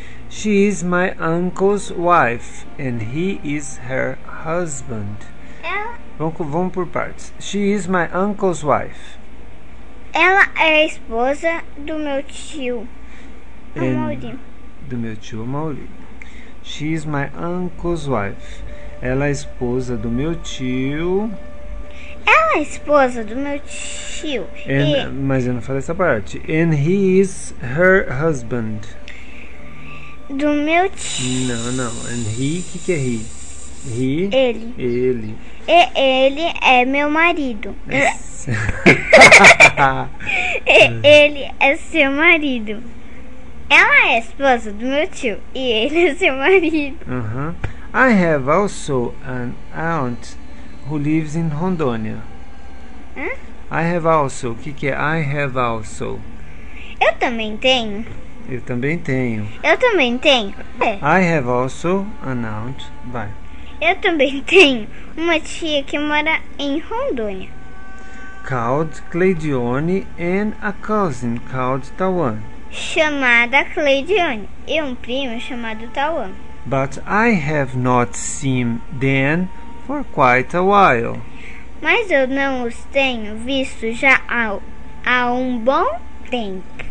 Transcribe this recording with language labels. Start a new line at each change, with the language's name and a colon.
English: She is my uncle's wife and he is her husband.
Portuguese: Vamos por partes.
English: She is my uncle's wife.
Portuguese: Ela é a esposa do meu tio, Amaury. Do meu tio Amaury.
English: She is my uncle's wife.
Portuguese: Ela é a esposa do meu tio. Ela é a esposa do meu tio. Mas eu não falei essa parte.
English: And he is her husband.
Portuguese: Do meu tio. Não.
English: And he,
Portuguese: que é
English: he? He?
Portuguese: Ele. Ele. E ele é meu marido. Ele é seu marido. Ela é a esposa do meu tio e ele é seu marido.
English: I have also an aunt who lives in Rondônia. I have also.
Portuguese: O que é
English: I have also?
Portuguese: Eu também tenho. Eu também tenho. Eu também tenho.
English: I have also an aunt.
Portuguese: Vai. Eu também tenho uma tia que mora em Rondônia.
English: Called Cleidione and a cousin called Tawan.
Portuguese: Chamada Cleidione e um primo chamado Tawan.
English: But I have not seen them for quite a while.
Portuguese: Mas eu não os tenho visto já há um bom tempo.